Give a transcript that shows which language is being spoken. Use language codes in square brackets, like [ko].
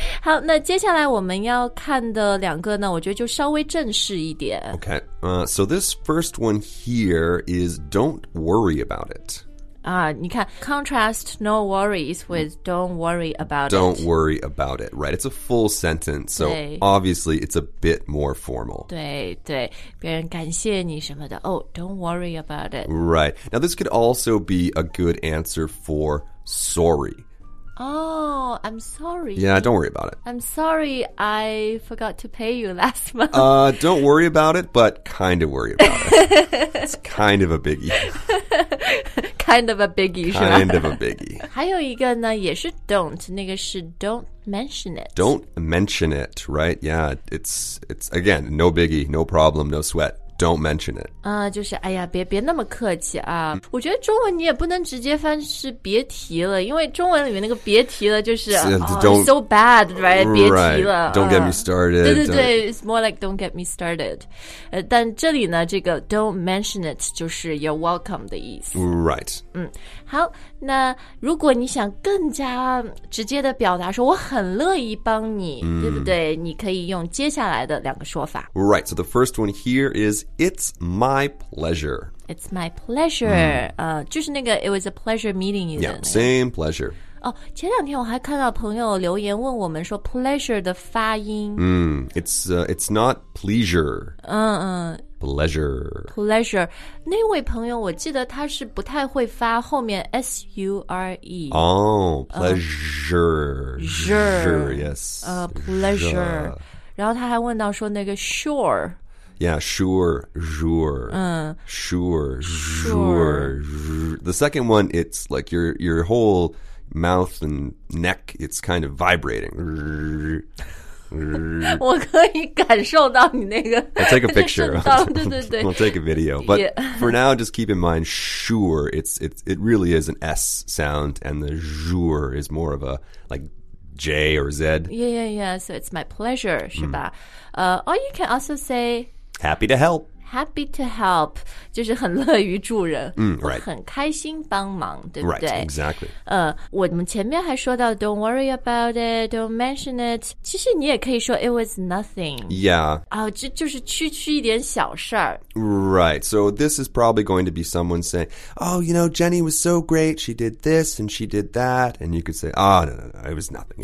[zh] 好，那接下来我们要看的两个呢，我觉得就稍微正式一点。 [en] Okay. So this first one here is don't worry about it. [zh] 你看 [en] contrast no worries with don't worry about it. Don't worry about it, right? It's a full sentence, so obviously it's a bit more formal. [zh] 对对，别人感谢你什么的。 [en] Oh, don't worry about it. Right. Now, this could also be a good answer for sorry. Oh, I'm sorry. Yeah, don't worry about it. I'm sorry I forgot to pay you last month. Don't worry about it, but kind of worry about it. It's kind of a biggie. Kind of a biggie, right? Kind of a biggie. [zh] 还有一个呢，也是 don't, 那个是 [en] don't mention it. Don't mention it, right? Yeah, it's again, no biggie, no problem, no sweat. Don't mention it. [zh] 就是哎呀别那么客气啊。我觉得中文你也不能直接翻是别提了，因为中文里面那个别提了就是 [en] so bad, right? [zh] 别提了。 [en] Right, don't get me started. [zh] 对对对 [en] it's more like don't get me started. [zh] 但这里呢这个 [en] don't mention it [zh] 就是 [en] you're welcome [zh] 的意思。 [en] Right. [zh] 好那如果你想更加直接的表达说我很乐意帮你、mm. 对不对你可以用接下来的两个说法。 [en] Right, so the first one here is,It's my pleasure. It's my pleasure.、Mm. [zh] 就是那个 [en] it was a pleasure meeting you. Yeah, same pleasure. [zh] 哦，前两天我还看到朋友留言问我们说 pleasure 的发音。 [en] It's not pleasure. Pleasure. Pleasure. [zh] 那位朋友我记得他是不太会发后面 S-U-R-E. [en] Oh, pleasure. Sure, yes. Pleasure. [zh] 然后他还问到说那个 sure. [en] Yeah, sure, sure, sure, sure. The second one, it's like your whole mouth and neck, it's kind of vibrating. [zh] 我可以感受到你那个 [en] I'll take a picture. [zh] 对对对 [en] We'll take a video. But、yeah. for now, just keep in mind, sure, it really is an S sound, and the sure is more of a, like,J or Z. Yeah, yeah, yeah. So it's my pleasure, [zh] 是吧、 [en] or you can also say... Happy to help. Happy to help. [zh] 就是很乐于助人。 [en] Right. [zh] 很开心帮忙，对不对 [en] Right, exactly. [zh] 我们前面还说到 [en] don't worry about it, don't mention it. [zh] 其实你也可以说 [en] it was nothing. Yeah. [zh] 就是区区一点小事儿。 [en] Right, so this is probably going to be someone saying, oh, you know, Jenny was so great, she did this and she did that. And you could say, oh, no, it was nothing.